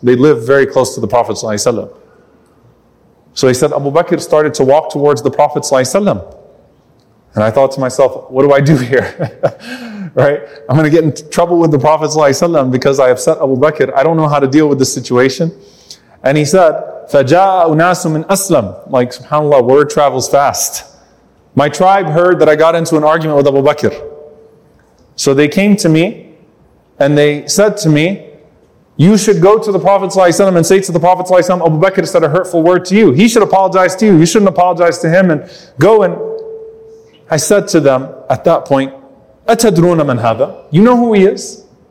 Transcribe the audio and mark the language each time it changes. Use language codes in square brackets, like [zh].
[en] They live very close to the Prophet ﷺ. So he said, Abu Bakr started to walk towards the Prophet ﷺ. And I thought to myself, what do I do here? Right? I'm going to get in trouble with the Prophet ﷺ because I upset Abu Bakr. I don't know how to deal with this situation. And he said, [ar] فَجَاءُ نَاسٌ مِنْ أَسْلَمْ. [en] Like, subhanAllah, word travels fast. My tribe heard that I got into an argument with Abu Bakr. So they came to me and they said to me, you should go to the Prophet ﷺ and say to the Prophet ﷺ, Abu Bakr said a hurtful word to you. He should apologize to you. You shouldn't apologize to him and go. And I said to them at that point, [ar] أَتَدْرُونَ مَنْ هَذَا? [en] You know who he is?